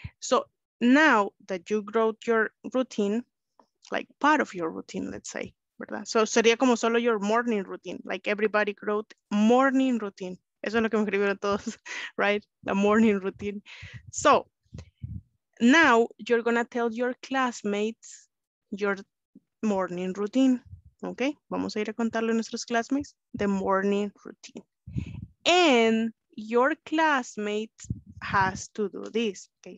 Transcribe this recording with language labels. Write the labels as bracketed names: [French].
[English] So now that you wrote your routine, like part of your routine, let's say, [Spanish] ¿verdad? [English] So [Spanish] sería como solo [English] your morning routine, like everybody wrote morning routine. [Spanish] Eso es lo que me escribieron todos, [English] right? The morning routine. So, now you're gonna tell your classmates your morning routine, okay? [Spanish] Vamos a ir a contarle a nuestros classmates [English] the morning routine. And your classmate has to do this, okay?